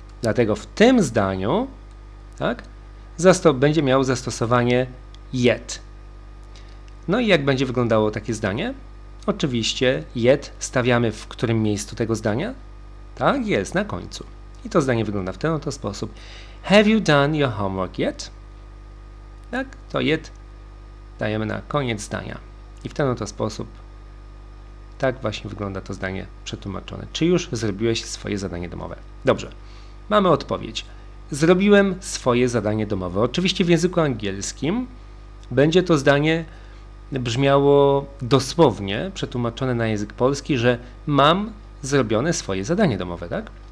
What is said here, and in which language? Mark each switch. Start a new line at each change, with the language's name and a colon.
Polish: Dlatego w tym zdaniu tak, będzie miał zastosowanie yet. No i jak będzie wyglądało takie zdanie? Oczywiście yet stawiamy w którym miejscu tego zdania? Tak jest, na końcu. I to zdanie wygląda w ten oto sposób.
English: Have you done your homework yet?
Polish: Tak, to yet dajemy na koniec zdania. I w ten oto sposób tak właśnie wygląda to zdanie przetłumaczone. Czy już zrobiłeś swoje zadanie domowe? Dobrze. Mamy odpowiedź. Zrobiłem swoje zadanie domowe. Oczywiście w języku angielskim będzie to zdanie brzmiało dosłownie, przetłumaczone na język polski, że mam zrobione swoje zadanie domowe, tak?